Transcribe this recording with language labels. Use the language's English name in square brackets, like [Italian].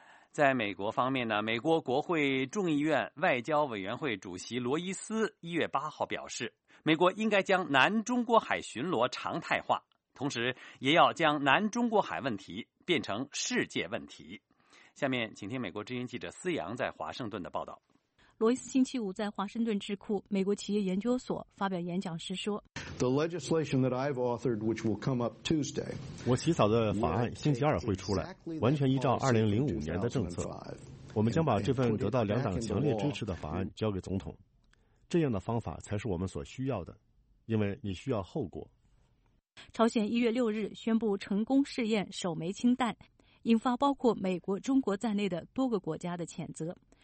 [Chinese] 在美国方面呢，美国国会众议院外交委员会主席罗伊斯1月8号表示，美国应该将南中国海巡逻常态化，同时也要将南中国海问题变成世界问题。下面请听美国之音记者思阳在华盛顿的报道。罗伊斯星期五在华盛顿智库美国企业研究所发表演讲时说， [English] The legislation that I've authored, which will come up Tuesday, [Chinese] 我起草的法案星期二会出来，完全依照2005年的政策，我们将把这份得到两党强烈支持的法案交给总统，这样的方法才是我们所需要的，因为你需要后果。朝鲜1月6日宣布成功试验首枚氢弹，引发包括美国、中国在内的多个国家的谴责。